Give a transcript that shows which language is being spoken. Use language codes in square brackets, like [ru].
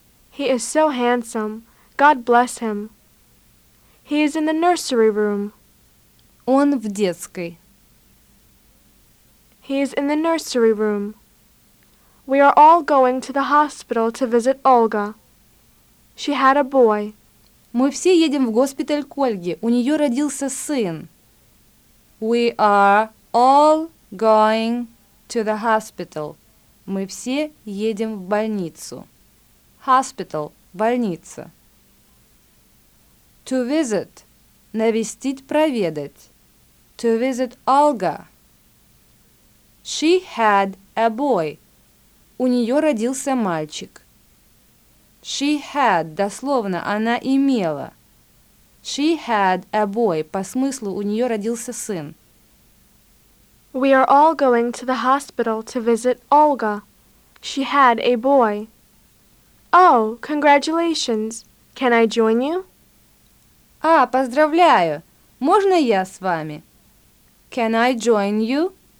[en] He is so handsome. God bless him. He is in the nursery room. [ru] Он в детской. [en] He is in the nursery room. We are all going to the hospital to visit Olga. She had a boy. [ru] Мы все едем в госпиталь к Ольге. У нее родился сын. [en] We are all going to the hospital. [ru] Мы все едем в больницу. [en] Hospital – [ru] больница. [en] To visit – [ru] навестить, проведать. [en] To visit Olga. She had a boy. [ru] У нее родился мальчик. [en] She had [ru] – дословно, она имела. [en] She had a boy [ru] – по смыслу, у нее родился сын. [en] We are all going to the hospital to visit Olga. She had a boy. Oh, congratulations. Can I join you? [ru] А, поздравляю. Можно я с вами? [en] Can I join you?